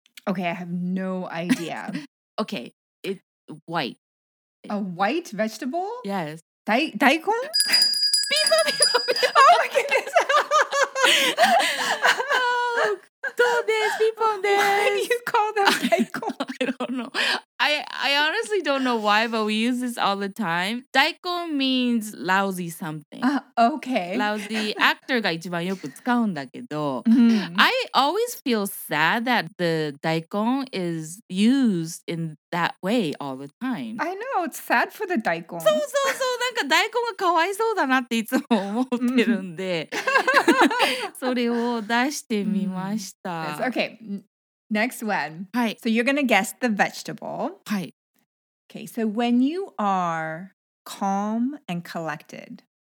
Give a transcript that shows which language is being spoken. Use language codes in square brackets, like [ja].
[en] okay I have no idea okay it's white a white vegetable yes daikon ピーポーピーポーピーポーピーポ [ja] ーどうです、ピーポンです。 [en] Why do you call them daikon? I don't know. I honestly don't don't know why, but we use this all the time. Daikon means lousy something. Okay. Lousy actor [ja] ga 一番よく使うんだけど。 [en] I always feel sad that the daikon is used in that way all the time. I know, it's sad for the daikon. [ja] そうそうそう、なんか daikon がかわいそうだなっていつも思ってるんで。それを出してみました。 [en] Okay. Next one. Hi. So you're going to guess the vegetable. Hi. Okay, so when you are calm and collected,